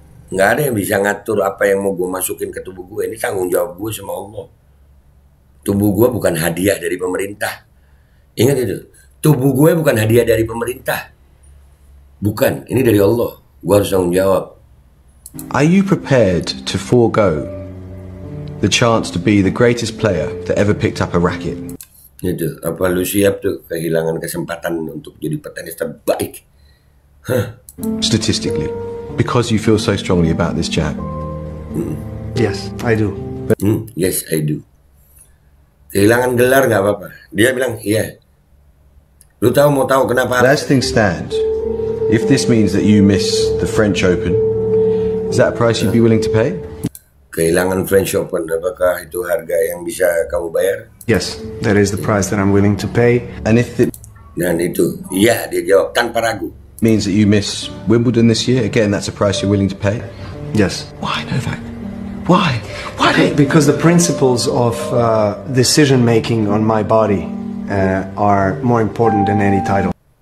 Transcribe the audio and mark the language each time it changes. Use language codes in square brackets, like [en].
[id] Gak ada yang bisa ngatur apa yang mau gue masukin ke tubuh gue. Ini tanggung jawab gue sama Allah. Tubuh gue bukan hadiah dari pemerintah. Ingat itu. Tubuh gue bukan hadiah dari pemerintah. Bukan. Ini dari Allah. Gue harus tanggung jawab. [en] Are you prepared to forego the chance to be the greatest player that ever picked up a racket. [id] Itu apa lu siap tuh kehilangan kesempatan untuk jadi petenis terbaik? Huh? [en] Statistically, because you feel so strongly about this, Jack. Yes, I do. Yes, I do. [id] Kehilangan gelar nggak apa-apa. Dia bilang iya. [en] Yeah. [id] Lu tahu mau tahu kenapa? [en] Last thing stand. If this means that you miss the French Open, is that a price you'd be willing to pay? [id] Kehilangan French Open, apakah itu harga yang bisa kamu bayar? [en] Yes, that is the price that I'm willing to pay. And if it [id] dan itu, ya, dia jawab tanpa ragu. [en] Means that you miss Wimbledon this year, again, that's a price you're willing to pay? Yes. Why, Novak? Why? Why? Because the principles of decision-making on my body are more important than any title.